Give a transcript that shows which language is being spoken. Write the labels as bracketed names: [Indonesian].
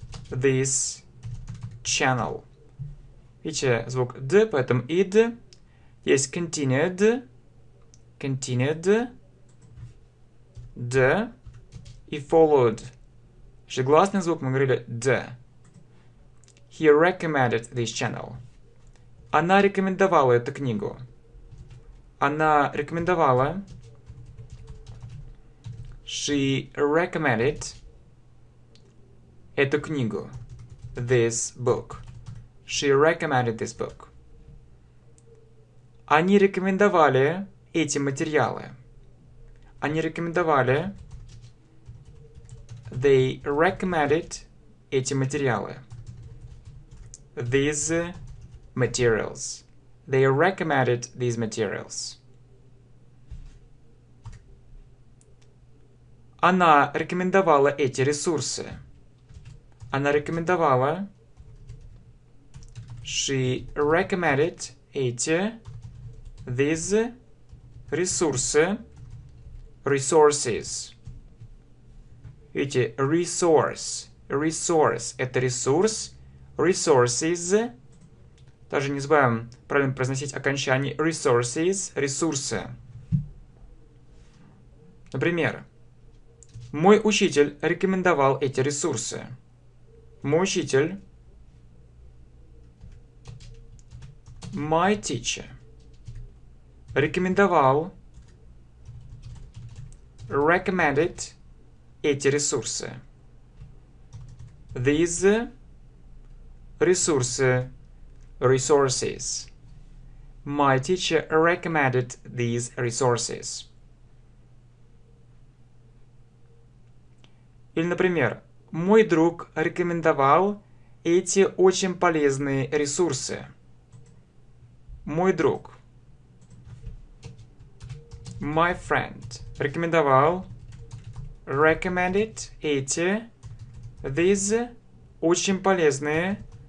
[English] This channel. [Russian] Видите, звук D, поэтому id. Есть continued. [English] Continued. D. И followed. [Russian] Же гласный звук, мы говорили D. [English] He recommended this channel. [Russian] Она рекомендовала эту книгу. Она рекомендовала. [English] She recommended [Russian] эту книгу. [English] This book. She recommended this book. [Russian] Они рекомендовали эти материалы. Они рекомендовали. [English] They recommended [Russian] эти материалы. [English] These materials. They recommended these materials. [Russian] Она рекомендовала эти ресурсы. Она рекомендовала. [English] She recommended [Russian] эти. [English] These ресурсы. Resources. [Russian] Видите, resource. Resource – это ресурс. [English] Resources. [Russian] Также не забываем правильно произносить окончание. [English] Resources. Ресурсы. [Russian] Например. Мой учитель рекомендовал эти ресурсы. Мой учитель. [English] My teacher. Рекомендовал. Recommended. [Russian] Эти ресурсы. [English] These. [Russian] Ресурсы. [English] Resources. My teacher recommended these resources. [Russian] Или, например, мой друг рекомендовал эти очень полезные ресурсы. Мой друг. [English] My friend [Russian] рекомендовал. [English] Recommended [Russian] эти. [English] These [Russian] очень полезные.